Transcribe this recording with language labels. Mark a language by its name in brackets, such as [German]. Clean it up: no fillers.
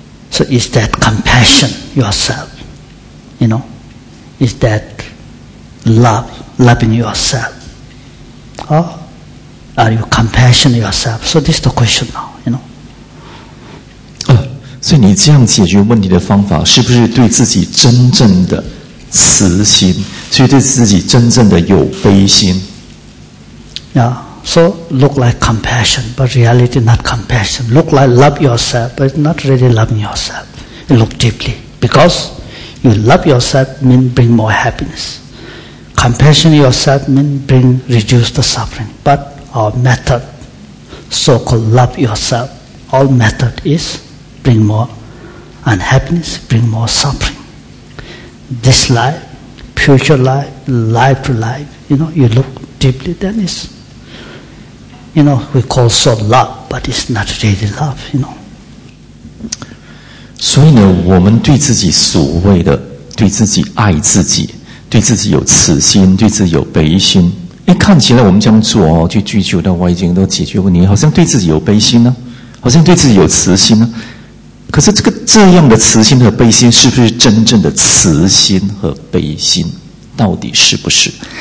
[English] So is that compassion yourself? You know? Is that... loving yourself? Huh? Are you compassionate yourself? So this is the question now, you know. [Chinese] 所以你这样解决问题的方法是不是对自己真正的慈心，所以对自己真正的有悲心？ [English] Yeah, so look like compassion, but reality not compassion. Look like love yourself, but not really loving yourself. You look deeply, because you love yourself means bring more happiness. Compassion yourself means bring reduce the suffering. But our method, so-called love yourself, all method is bring more unhappiness, bring more suffering. This life, future life, life to life, you know, you look deeply, then it's, you know, we call so love, but it's not really love, you know. [Chinese] 所以呢，我们对自己所谓的对自己爱自己，对自己有慈心，对自己有悲心。哎，看起来我们这样做哦，去追求到外境，都解决问题，好像对自己有悲心呢、啊，好像对自己有慈心呢、啊。可是这样的慈心和悲心，是不是真正的慈心和悲心？到底是不是？